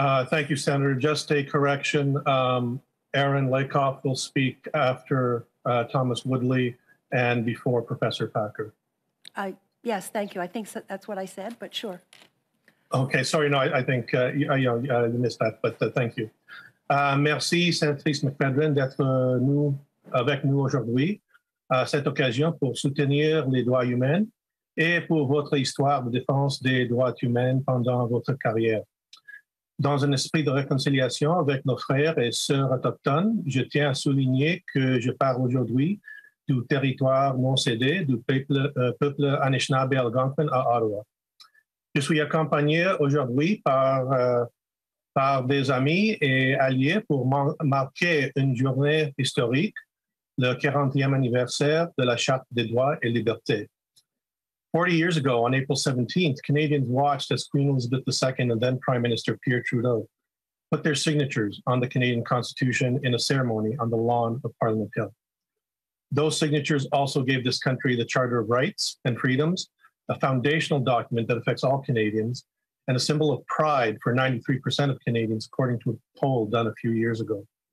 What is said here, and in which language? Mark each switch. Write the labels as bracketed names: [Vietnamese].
[English] Thank you, Senator. Just a correction. Aaron Lakoff will speak after Thomas Woodley and before Professor Packer. Yes, thank you. I think so, that's what I said, but sure. Okay, sorry, no, I think you missed that, but thank you. [French] Merci, Sénatrice McPhedran, d'être nous, avec nous aujourd'hui à cette occasion pour soutenir les droits humains et pour votre histoire de défense des droits humains pendant votre carrière. Dans un esprit de réconciliation avec nos frères et sœurs autochtones, je tiens à souligner que je parle aujourd'hui du territoire non cédé du peuple Anishinaabe Algonquin à Ottawa. Je suis accompagné aujourd'hui par des amis et alliés pour marquer une journée historique, le 40e anniversaire de la Charte des droits et libertés. [English] 40 years ago, on April 17th, Canadians watched as Queen Elizabeth II and then Prime Minister Pierre Trudeau put their signatures on the Canadian Constitution in a ceremony on the lawn of Parliament Hill. Those signatures also gave this country the Charter of Rights and Freedoms, a foundational document that affects all Canadians, and a symbol of pride for 93% of Canadians, according to a poll done a few years ago.